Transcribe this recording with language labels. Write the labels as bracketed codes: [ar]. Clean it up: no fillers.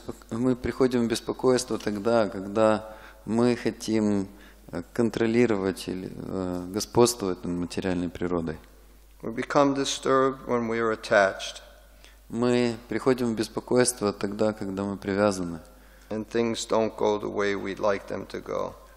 [ru] Мы приходим в беспокойство тогда, когда мы хотим контролировать или господствовать над материальной природой. [en] We become disturbed when we are attached. [ru] Мы приходим в беспокойство тогда, когда мы привязаны. [en] And things don't go the way we'd like them to go.